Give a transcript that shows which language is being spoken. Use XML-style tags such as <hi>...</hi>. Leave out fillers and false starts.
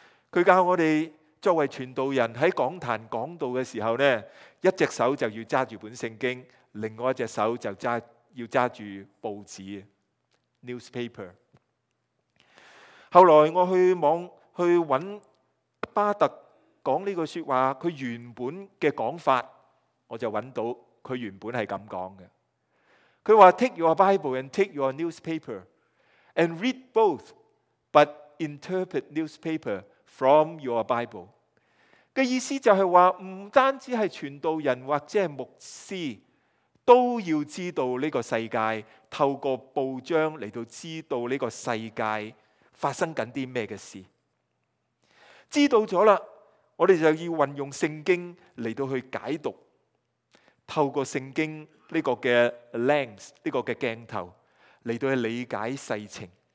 <yue>他教我们作为传道人在讲坛讲道的时候，一只手就要揸住本圣经，另外一只手就要揸住报纸 newspaper。后来我去网去找巴特讲这个说话，他原本的讲法我就找到他原本是这样讲的。他说</yue> <en>take your bible and take your newspaper and read both but interpret newspaper from your bible。</en> <yue>的意思就是说，不单止是传道人或者是牧师都要知道这个世界，透过报章来到知道这个世界发生着什么的事。知道了我们就要运用圣经来到去解读，透过圣经这个的 lens， 这个的镜头来到去理解世情。</yue>